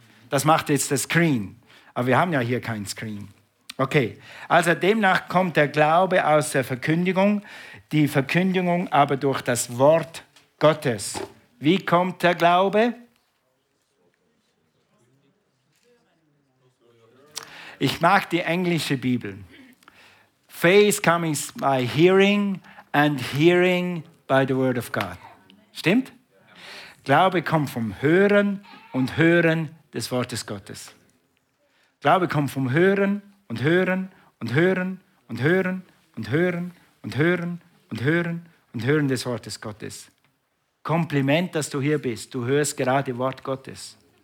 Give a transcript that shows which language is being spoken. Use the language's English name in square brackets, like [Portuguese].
[German] Das macht jetzt der Screen. Aber wir haben ja hier keinen Screen. Okay, also demnach kommt der Glaube aus der Verkündigung, die Verkündigung aber durch das Wort Gottes. Wie kommt der Glaube? Ich mag die englische Bibel. [English] Faith comes by hearing and hearing by the word of God. [German] Stimmt? Glaube kommt vom Hören und Hören des Wortes Gottes. Glaube kommt vom Hören und hören und hören und hören und hören und hören und hören und hören des Wortes Gottes. Kompliment, dass du hier bist. Du hörst gerade Wort Gottes.